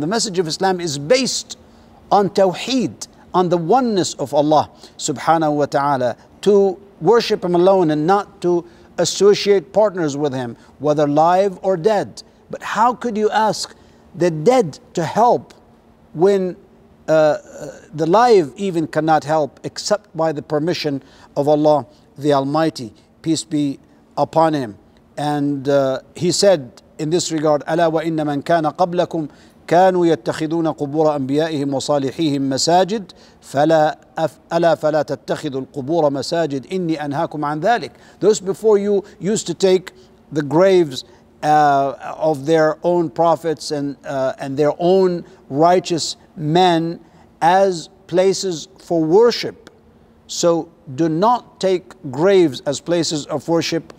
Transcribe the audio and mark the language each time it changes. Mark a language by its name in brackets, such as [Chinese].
[English] The message of Islam is based on tawheed, on the oneness of Allah subhanahu wa ta'ala, to worship him alone and not to associate partners with him, whether live or dead. But how could you ask the dead to help when the live even cannot help except by the permission of Allah the Almighty, peace be upon him? And he said in this regard, [Arabic] أَلَا وَإِنَّ مَنْ كَانَ قَبْلَكُمْ كَانُوا يَتَّخِذُونَ قُبُورَ أَنْبِيَائِهِمْ وَصَالِحِيهِمْ مَسَاجِدٍ فَلَا تَتَّخِذُوا الْقُبُورَ مَسَاجِدٍ إِنِّي أَنْهَاكُمْ عَنْ ذَلِكَ. [English] Those before you used to take the graves of their own prophets and their own righteous men as places for worship. So do not take graves as places of worship.